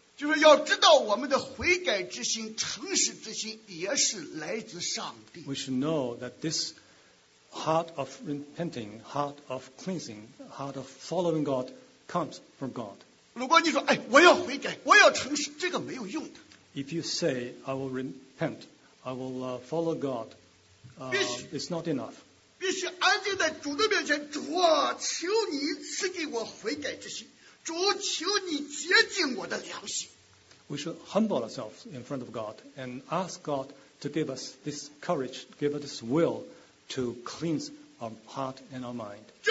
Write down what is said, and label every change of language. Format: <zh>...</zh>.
<zh>就是要知道我们的悔改之心、诚实之心也是来自上帝。</zh> <en>We should know that this heart of repenting, heart of cleansing, heart of following God comes from God.</en> <zh>如果你说，哎，我要悔改，我要诚实，这个没有用的。</zh> <en>If you say I will repent, I will follow God, it's not enough.</en> <zh>必须安静在主的面前，主啊，求你赐给我悔改之心，主，求你洁净我的良心。</zh> <en>We should humble ourselves in front of God and ask God to give us this courage, give us this will to cleanse our heart and our mind.</en>